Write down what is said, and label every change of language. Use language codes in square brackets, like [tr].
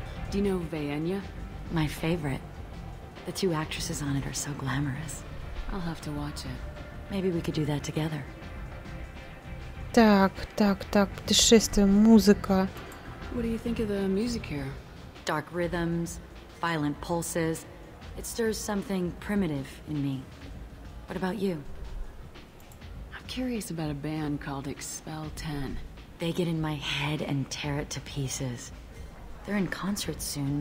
[en] Do you know Vaenia? My favorite. The two actresses on it are so glamorous. I'll have to watch it. Maybe we could do that together. [ru] Так, так, так, путешествие, музыка. [en] What do you think of the music here? Dark rhythms, violent pulses. It stirs something primitive in me. What about you? I'm curious about a band called Expel 10. They get in my head and tear it to pieces. They're in concert soon.